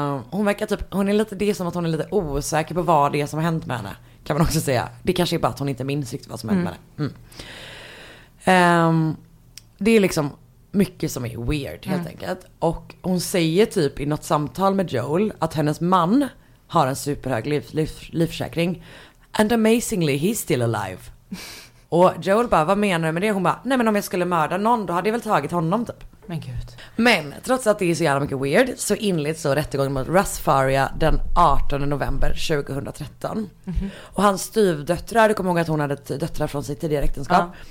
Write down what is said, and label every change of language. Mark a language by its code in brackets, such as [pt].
[sv] Hon verkar typ, hon är lite, det är som att hon är lite osäker på vad det är som har hänt med henne, kan man också säga. Det kanske är bara att hon inte minns riktigt vad som har hänt med henne. Det är liksom mycket som är weird helt enkelt. Och hon säger typ i något samtal med Joel att hennes man har en superhög livförsäkring. [en] And amazingly, he's still alive. [sv] Och Joel bara, vad menar du med det? Hon bara, nej men om jag skulle mörda någon, då hade jag väl tagit honom typ. Men gud. Men trots att det är så jävla mycket weird, så inleds så rättegången mot Russ Faria den 18 november 2013. Och hans styvdöttrar, du kommer ihåg att hon hade döttrar från sitt tidigare äktenskap.